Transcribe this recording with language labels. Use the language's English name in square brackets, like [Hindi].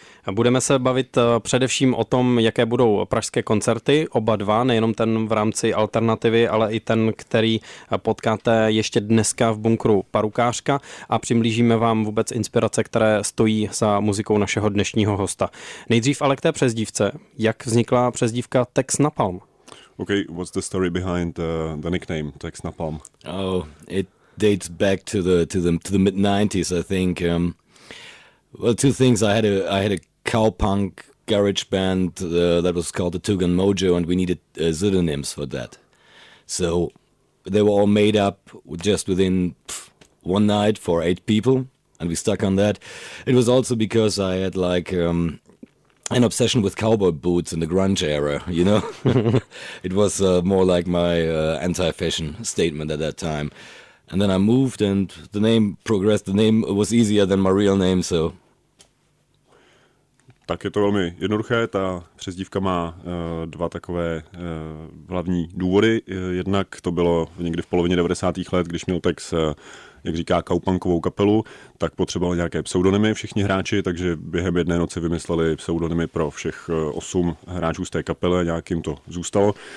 [Czech] Budeme se bavit především o tom, jaké budou pražské koncerty, oba dva, nejenom ten v rámci alternativy, ale i ten, který potkáte ještě dneska v bunkru Parukářka, a přiblížíme vám vůbec inspirace, které stojí za muzikou našeho dnešního hosta. Nejdřív ale k té přezdívce. Jak vznikla přezdívka Tex Napalm? [English] Okay, what's the story behind the nickname Tex Napalm? Oh, it dates back to the mid-90s, I think. Well, two things. I had a cowpunk garage band that was called the Tugan Mojo, and we needed pseudonyms for that. So they were all made up just within one night for 8 people, and we stuck on that. It was also because I had like an obsession with cowboy boots in the grunge era, you know? It was more like my anti-fashion statement at that time. And then I moved, and the name progressed. The name was easier than my real name, so... [Czech] Tak je to velmi jednoduché, ta přezdívka má dva takové hlavní důvody. Jednak to bylo někdy v polovině 90. let, když měl Tex, jak říká, kaupankovou kapelu, tak potřeboval nějaké pseudonymy všichni hráči, takže během jedné noci vymysleli pseudonymy pro všech 8 hráčů z té kapely, nějak jim to zůstalo.